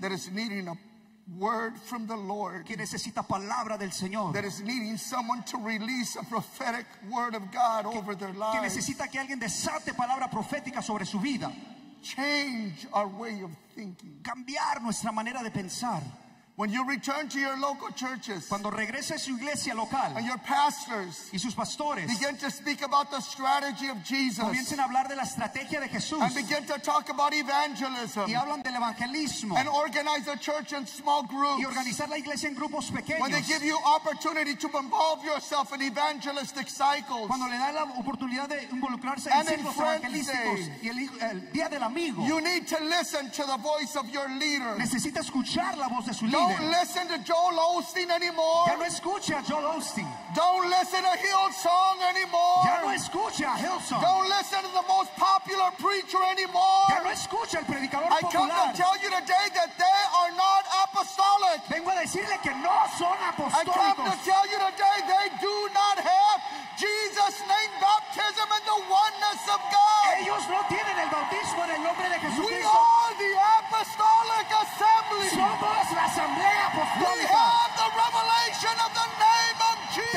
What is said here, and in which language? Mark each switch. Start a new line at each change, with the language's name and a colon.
English: That is needing a word from the Lord.
Spanish: Que necesita palabra del Señor.
English: That is needing someone to release a prophetic word of God over their lives.
Spanish: Que necesita que alguien desate palabra profética sobre su vida.
English: Change our way of thinking.
Spanish: Cambiar nuestra manera de pensar.
English: When you return to your local churches,
Spanish: cuando regrese a su iglesia local,
English: and your pastors
Spanish: y sus pastores
English: begin to speak about the strategy of Jesus,
Spanish: comiencen a hablar de la estrategia de Jesús,
English: and begin to talk about evangelism,
Spanish: y hablan del evangelismo,
English: and organize the church in small groups,
Spanish: y organizar la iglesia en grupos pequeños,
English: when they give you opportunity to involve yourself in evangelistic cycles,
Spanish: cuando le da la oportunidad de involucrarse en ciclos evangelísticos, y el día del amigo,
English: you need to listen to the voice of your leader.
Spanish: Necesita escuchar la voz de su líder.
English: Don't listen to Joel Osteen anymore.
Spanish: Ya no escuche a Joel Osteen.
English: Don't listen to Hillsong anymore.
Spanish: Ya no escuche a Hillsong.
English: Don't listen to the most popular preacher anymore.
Spanish: Ya no escuche al predicador
English: I
Spanish: popular.
English: Come to tell you today that they are not apostolic.
Spanish: Vengo a decirle que no son apostólicos.
English: I come to tell you today they do not have Jesus' name baptism and the oneness of God.
Spanish: Ellos no tienen el bautismo en el nombre de Jesucristo.
English: We are the Apostolic Assembly.
Spanish: Somos la Asamblea Apostólica.
English: We have the revelation of the name of Jesus.